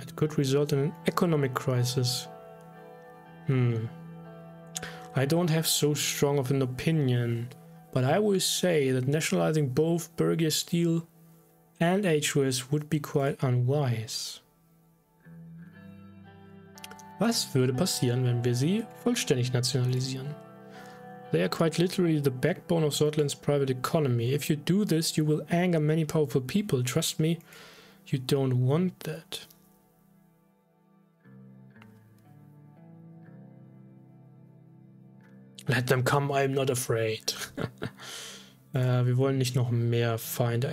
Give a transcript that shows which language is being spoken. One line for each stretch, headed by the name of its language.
English: It could result in an economic crisis. I don't have so strong of an opinion, but I would say that nationalizing both Bergia Steel and HOS would be quite unwise.
German: Was würde passieren, wenn wir sie vollständig nationalisieren?
English: They are quite literally the backbone of Sordland's private economy. If you do this, you will anger many powerful people. Trust me, you don't want that. Let them come, I'm not afraid.
German: wir wollen nicht noch mehr Feinde.